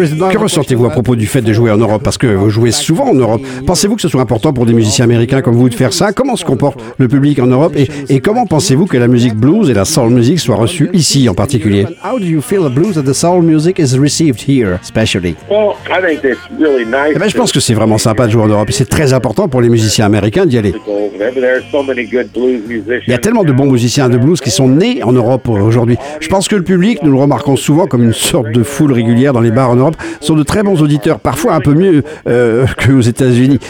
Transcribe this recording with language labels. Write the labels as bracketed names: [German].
[French] Que ressentez-vous à propos du fait de jouer en Europe? Parce que vous jouez souvent en Europe. Pensez-vous que ce soit important pour des musiciens américains comme vous de faire ça? Comment se comporte le public en Europe? Et comment pensez-vous que la musique blues et la soul music soient reçues ici en particulier? [English] How do you feel the blues and the soul music is received here, especially? [French] Je pense que c'est vraiment sympa de jouer en Europe. C'est très important pour les musiciens américains d'y aller. Il y a tellement de bons musiciens de blues qui sont nés en Europe aujourd'hui. Je pense que le public, nous le remarquons souvent comme une sorte de foule régulière dans les bars en Europe, sont de très bons auditeurs, parfois un peu mieux qu'aux États-Unis.